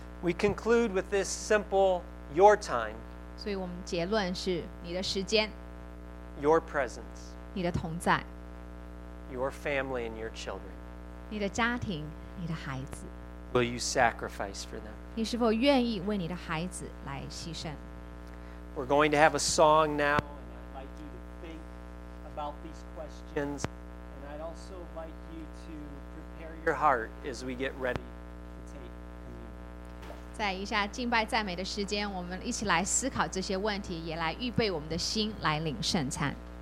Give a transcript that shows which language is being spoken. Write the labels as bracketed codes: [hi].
[en] We conclude with this simple: your time. [zh] 所以我们结论是你的时间。 [en] Your presence. [zh] 你的同在。 [en] your family and your children? [zh] 你的家庭，你的孩子。 [en] Will you sacrifice for them? [zh] 你是否愿意为你的孩子来牺牲？ [en] We're going to have a song now, and I'd like you to think about these questions, and I'd also like you to prepare your heart as we get ready to take communion. [zh] 在一下敬拜赞美的时间，我们一起来思考这些问题，也来预备我们的心来领圣餐。